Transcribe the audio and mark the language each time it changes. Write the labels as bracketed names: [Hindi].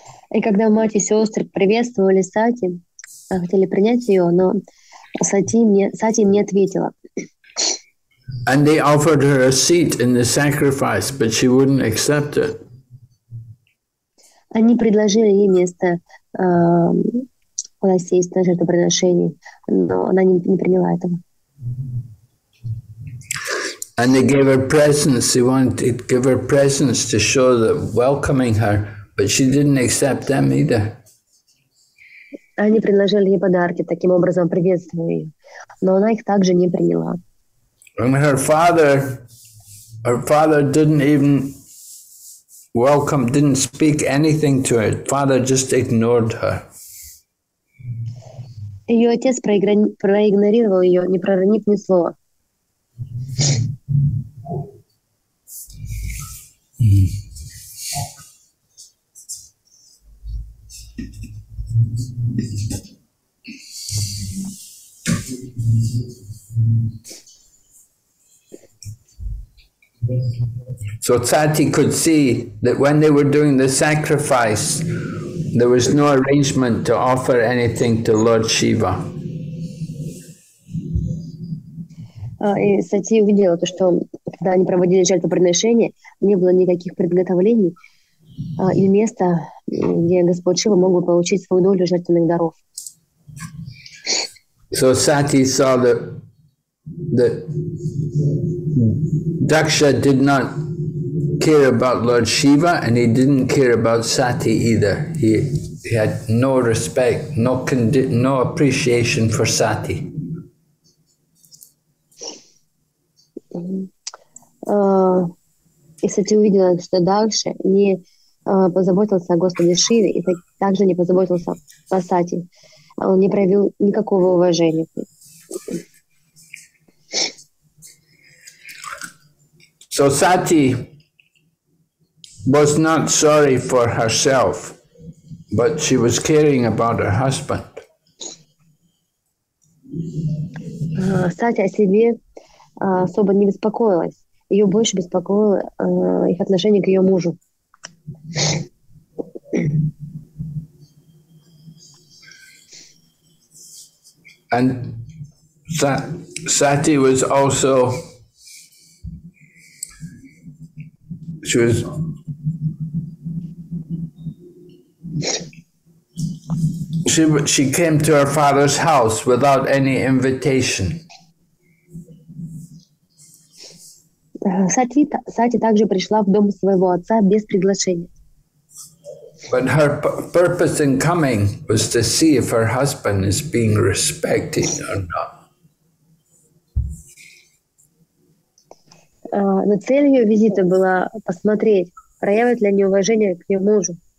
[Russian] И когда мать и сестры приветствовали Сати, хотели принять ее, но Сати им не ответила. [English] And they offered her a seat in the sacrifice, but she wouldn't accept it. [Russian] Они предложили ей место, куда сесть на жертвоприношение, но она не приняла этого. [English] And they gave her presents. They wanted to give her presents to show that welcoming her. But she didn't accept them either. [Russian] Они предложили ей подарки, таким образом приветствуя ее, но она их также не приняла. [English] And her father didn't even welcome, didn't speak anything to her. Father just ignored her. [Russian] Ее отец проигнорировал ее, не проронив ни слова. [English] So Sati could see that when they were doing the sacrifice, there was no arrangement to offer anything to Lord Shiva. [Russian] И Сати увидела то, что когда они проводили жертвоприношение, не было никаких приготовлений и места, где Господь Шива мог бы получить свою долю жертвенных даров. [English] So Sati saw that Daksha did not care about Lord Shiva, and he didn't care about Sati either. He had no respect, no appreciation for Sati. [Russian] И Сати увидела, что Дакша не позаботился о Господе Шиве, и также не позаботился о Сати. Он не проявил никакого уважения. [English] So Sati was not sorry for herself, but she was caring about her husband. [Russian] Сати о себе особо не беспокоилась. Ее больше беспокоило их отношение к ее мужу. [English] And Sati was also, she came to her father's house without any invitation. [Russian] Сати также пришла в дом своего отца без приглашения. [English] But her purpose in coming was to see if her husband is being respected or not. [Russian] Но цель ее визита была посмотреть, проявит ли они уважение к ее мужу.